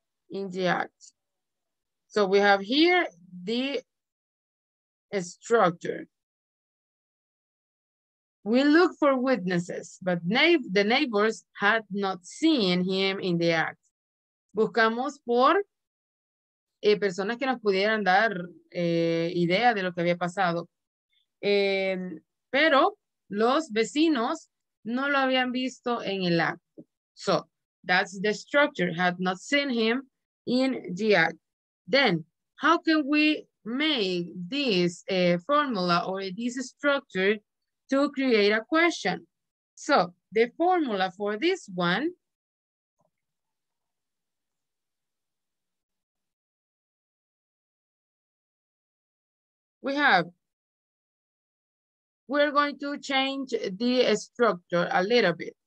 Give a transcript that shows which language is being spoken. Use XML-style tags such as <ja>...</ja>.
<en>In the act. So we have here the structure. We look for witnesses, but the neighbors had not seen him in the act.</en> <es>Buscamos por personas que nos pudieran dar idea de lo que había pasado. Pero los vecinos no lo habían visto en el acto.</es> <en>So that's the structure, had not seen him in the act. Then, how can we make this formula or this structure to create a question? So the formula for this one we have, we're going to change the structure a little bit.</en>